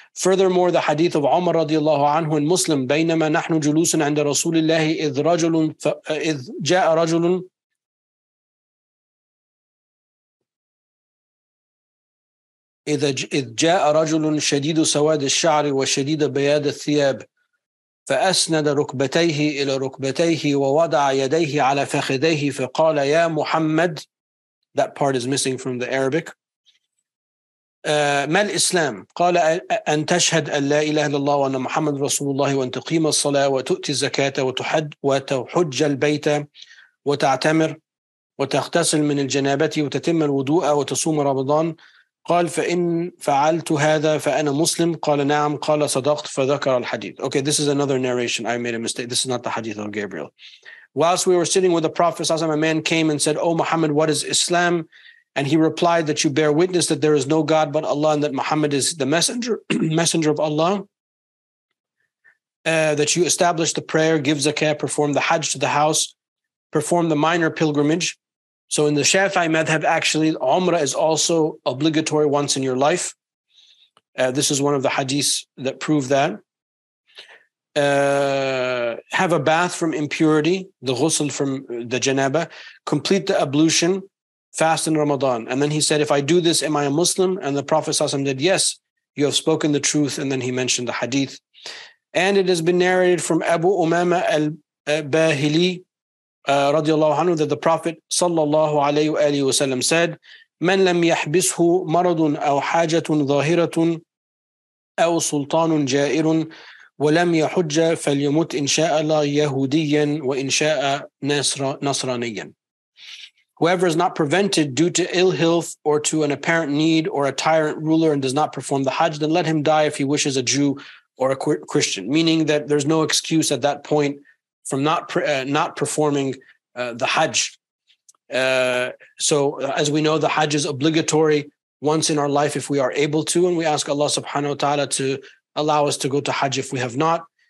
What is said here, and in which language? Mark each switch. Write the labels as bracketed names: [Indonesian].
[English] Furthermore, the hadith of Umar radiallahu anhu in Muslim, [Arabic] بينما نحن جلوس عند رسول الله إذ رجل إذ جاء رجل إذ جاء رجل شديد سواد الشعر وشديد بياد الثياب فأسند ركبتيه إلى ركبتيه ووضع يديه على فخذيه فقال يا محمد. [English] That part is missing from the Arabic. [Arabic] ما الإسلام؟ قال أن تشهد أن لا إله إلا الله وأن محمد رسول الله وأن تقيم الصلاة وتؤتي الزكاة وتحج البيت وتعتمر وتغتسل من الجنابة وتتم الوضوء وتصوم رمضان. قال فإن فعلت هذا فأنا مسلم. قال نعم. قال صدقت فذكر الحديث. [English] Okay, this is another narration. I made a mistake. This is not the hadith of Gabriel. Whilst we were sitting with the Prophet صلى الله عليه وسلم, a man came and said, "Oh Muhammad, what is Islam?" And he replied that you bear witness that there is no God but Allah and that Muhammad is the messenger messenger of Allah. That you establish the prayer, give zakah, perform the hajj to the house, perform the minor pilgrimage. So in the Shafi'i Madhab, actually, Umrah is also obligatory once in your life. This is one of the hadiths that prove that. Have a bath from impurity, the ghusl from the janabah. Complete the ablution, fast in Ramadan. And then he said, if I do this, am I a Muslim? And the Prophet ﷺ did, yes, you have spoken the truth. And then he mentioned the hadith. And it has been narrated from Abu Umama al-Bahili, radiallahu anhu, that the Prophet sallallahu alayhi wa sallam said, [Arabic] من لم يحبسه مرض أو حاجة ظاهرة أو سلطان جائر ولم يحج فليمت إن شاء الله يهوديا وإن شاء نصرانيا. [English] Whoever is not prevented due to ill health or to an apparent need or a tyrant ruler and does not perform the hajj, then let him die if he wishes a Jew or a Christian. Meaning that there's no excuse at that point from not performing the hajj. So as we know, the hajj is obligatory once in our life if we are able to, and we ask Allah subhanahu wa ta'ala to allow us to go to hajj if we have not.